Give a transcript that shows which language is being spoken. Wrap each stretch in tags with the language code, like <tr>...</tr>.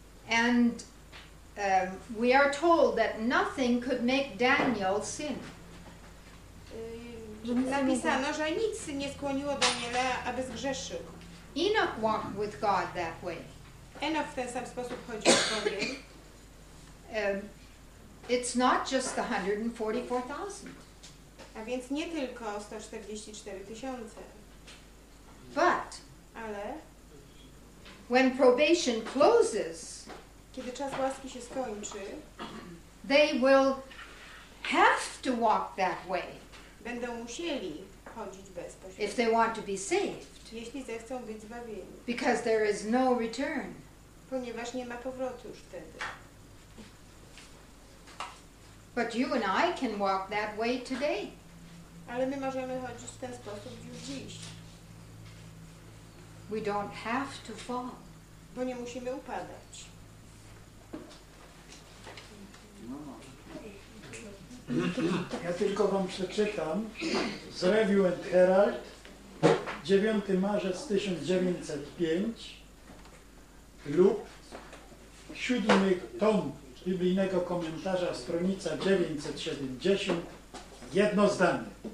<en>And we are told that nothing could make Daniel sin.</en> <pl>napisano, że nic nie skłoniło Daniela, aby zgrzeszył.</pl> <en>Enoch walked with God that way.</en> <pl>Enoch w ten sam sposób chodził z Bogiem.</pl> <en>It's not just the 144,000.</en> <pl>A więc nie tylko 144 tysiące.</pl> <en>But</en> <pl>ale</pl> <en>when probation closes,</en> <pl>kiedy czas łaski się skończy,</pl> <en>they will have to walk that way.</en> <pl>Będą musieli chodzić bez pośrednictwa.</pl> <en>If they want to be saved.</en> <pl>Jeśli zechcą być zbawieni.</pl> <en>Because there is no return.</en> <pl>Ponieważ nie ma powrotu już wtedy.</pl> <en>But you and I can walk that way today.</en> <pl>Ale my możemy chodzić w ten sposób już dziś.</pl> <en>We don't have to fall.</en> <pl>Bo nie musimy upadać. Ja tylko wam przeczytam z Review and Herald, 9 marzec 1905 lub 7 tom biblijnego komentarza, stronica 970, jedno zdanie.</pl>